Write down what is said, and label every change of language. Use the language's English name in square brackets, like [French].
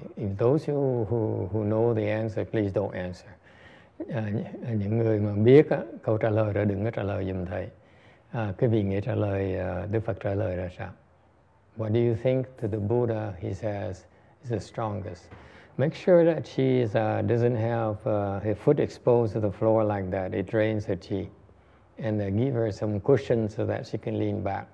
[English] If those who know the answer, please don't answer. [Vietnamese] Những người mà biết câu trả lời rồi đừng có trả lời giùm thầy. Cái vị nghĩa trả lời, Đức Phật trả lời ra sao? [English] What do you think to the Buddha, he says, is the strongest? Make sure that she doesn't have her foot exposed to the floor like that. It drains her chi. And they give her some cushion so that she can lean back.